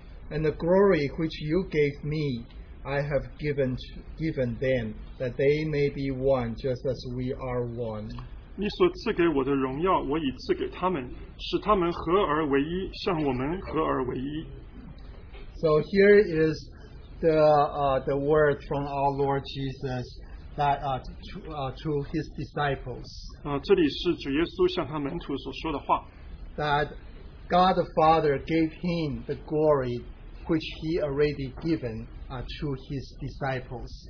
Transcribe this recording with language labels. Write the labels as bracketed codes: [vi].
[en] And the glory which you gave me, I have given them, that they may be one, just as we are one. [zh] 你所赐给我的荣耀，我已赐给他们，使他们合而为一，像我们合而为一。 [en] So here is the word from our Lord Jesus that to his disciples. [zh] 这里是主耶稣向他门徒所说的话。 [en] That God the Father gave him the glory which he already given to his disciples.